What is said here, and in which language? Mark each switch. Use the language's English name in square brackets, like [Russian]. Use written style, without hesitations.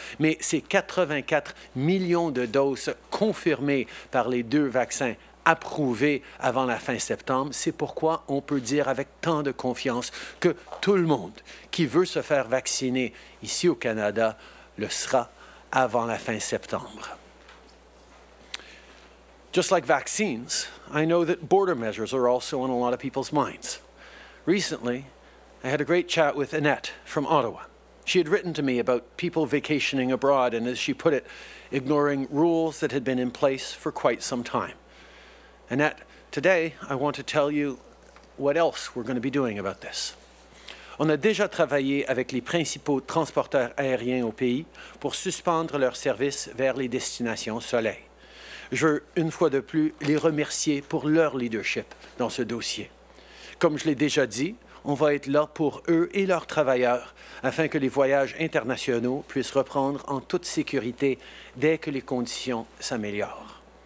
[French] Mais ces 84 millions de doses confirmées par les deux vaccins approuvés avant la fin septembre, c'est pourquoi on peut dire avec tant de confiance que tout le monde qui veut se faire vacciner ici au Canada le sera avant la fin septembre. [English] Just like vaccines, I know that border measures are also on a lot of people's minds. Recently, I had a great chat with Annette from Ottawa. She had written to me about people vacationing abroad and, as she put it, ignoring rules that had been in place for quite some time. Annette, today I want to tell you what else we're going to be doing about this. [French] On a déjà travaillé avec les principaux transporteurs aériens au pays pour suspendre leurs services vers les destinations soleil. Je veux une fois de plus les remercier pour leur leadership dans ce dossier. Comme je l'ai déjà dit, on va être là pour eux et leurs travailleurs afin que les voyages internationaux puissent reprendre en toute sécurité dès que les conditions s'améliorent.